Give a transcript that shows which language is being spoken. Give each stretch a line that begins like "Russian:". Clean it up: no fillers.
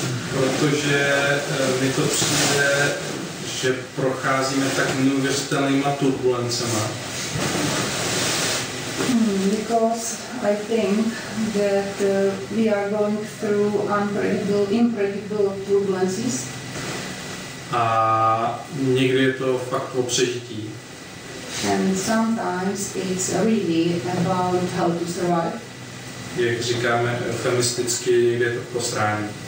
Czech: Protože mi to přijde, že procházíme tak neuvěřitelnýma turbulencema.
English: Because I think that we are going through unpredictable turbulences.
Czech: A někdy je to fakt o přežití.
English: And sometimes it's really about how to survive.
Czech: Jak říkáme eufemisticky, někdy je to posrání.